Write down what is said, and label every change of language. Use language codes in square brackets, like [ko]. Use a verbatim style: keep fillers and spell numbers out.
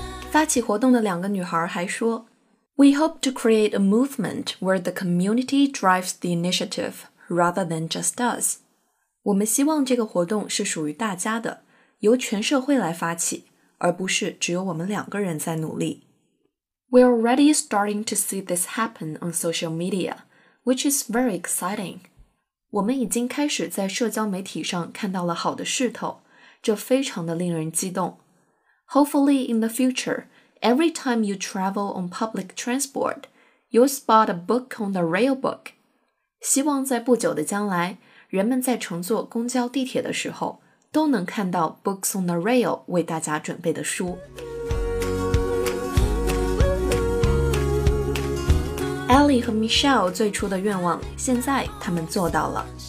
[zh] 发起活动的两个女孩还说 [en] We hope to create a movement where the community drives the initiative rather than just us. [zh] 我们希望这个活动是属于大家的，由全社会来发起，而不是只有我们两个人在努力。 [en] We're already starting to see this happen on social media, which is very exciting. [zh] 我们已经开始在社交媒体上看到了好的势头，这非常的令人激动。 [en] Hopefully in the future, every time you travel on public transport, you'll spot a book on the rail book. [zh] 希望在不久的将来，人们在乘坐公交地铁的时候，都能看到 Books on the Rail 为大家准备的书。 Ellie 和 Michelle 最初的愿望，现在他们做到了。